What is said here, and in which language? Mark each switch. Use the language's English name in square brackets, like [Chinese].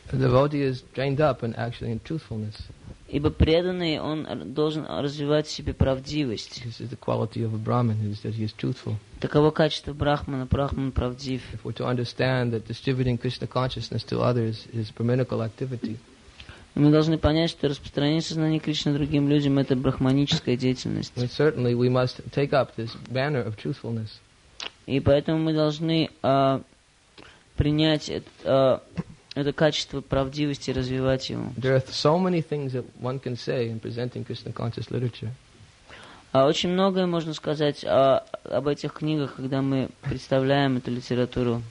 [English] The devotee is trained up in actually in truthfulness. [Russian] Ибо преданный, он должен развивать в себе правдивость. [English] This is the quality of a Brahmin, is that he is truthful. [Russian] Таково качество брахмана, брахман правдив. [English] If we're to understand that distributing Krishna consciousness to others is brahminical activity. [Russian] Мы должны понять, что распространение сознания Кришны другим людям это брахманическая деятельность. [English] And certainly we must take up this banner of truthfulness. [Russian] И поэтому мы должны принять это качество правдивости и развивать его. [English] There are so many things that one can say in presenting Krishna conscious literature. [Russian] Очень многое можно сказать об этих книгах, когда мы представляем эту литературу.